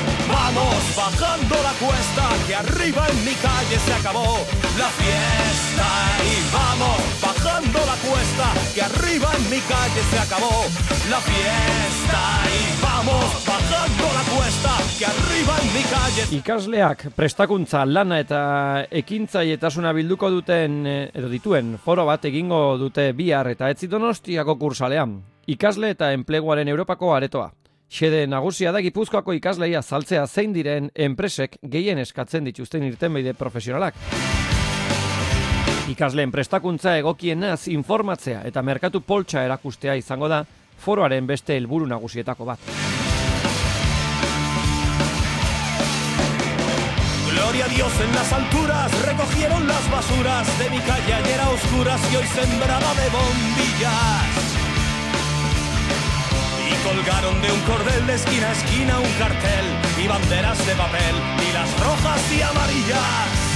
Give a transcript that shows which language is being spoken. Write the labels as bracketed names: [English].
[Spanish] Vamos bajando la cuesta, que arriba en mi calle se acabó la fiesta. Y vamos bajando la cuesta, que arriba en mi calle se acabó la fiesta. Y vamos bajando la cuesta, que arriba en mi calle. [Basque] Ikasleak prestakuntza, lana eta ekintzailetasuna bilduko duten edo dituen foro bat egingo dute bihar eta Etzi Donostiako kursalean. Ikasle eta enpleguaren Europako aretoa. Xede nagusia da Gipuzkoako ikasleia saltzea zein diren enpresek gehien eskatzen dituzten irtenbide profesionalak. Ikasleen prestakuntza egokienaz informatzea eta merkatu poltsa erakustea izango da foroaren beste helburu nagusietako bat. [Spanish] Gloria a Dios en las alturas, recogieron las basuras de mi calle ayer a oscuras y hoy sembrada de bombillas. Colgaron de un cordel de esquina a esquina un cartel y banderas de papel y las rojas y amarillas.